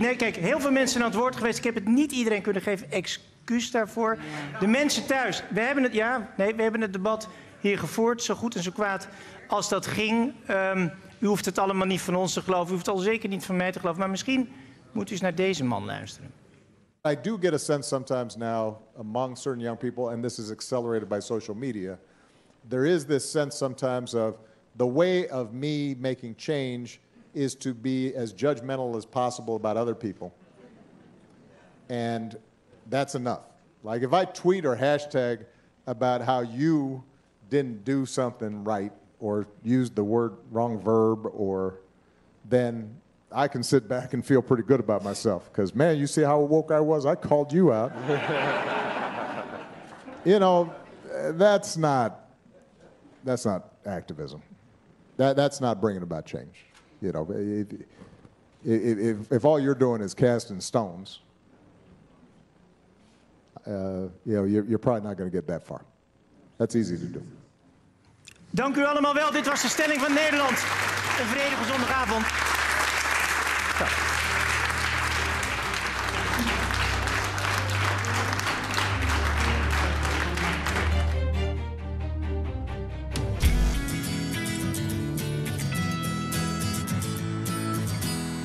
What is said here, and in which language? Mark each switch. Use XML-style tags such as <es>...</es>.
<nl>Nee, kijk, heel veel mensen aan het woord geweest. Ik heb het niet iedereen kunnen geven. Excuus daarvoor. De mensen thuis. We hebben het... we hebben het debat hier gevoerd. Zo goed en zo kwaad als dat ging. U hoeft het allemaal niet van ons te geloven. U hoeft het al zeker niet van mij te geloven. Maar misschien moet u eens naar deze man luisteren.</nl> <en>I do get a sense sometimes now among certain young people, and this is accelerated by social media, there is this sense sometimes of the way of me making change is to be as judgmental as possible about other people. And that's enough. Like if I tweet or hashtag about how you didn't do something right or used the word wrong verb or then I can sit back and feel pretty good about myself because, man, you see how woke I was? I called you out. You know, that's not activism. That's not bringing about change. You know, if all you're doing is casting stones, you're probably not going to get that far. That's easy to do.</en> <nl>Dank u allemaal wel. Dit was de stelling van Nederland. Een vredige zondagavond.</nl>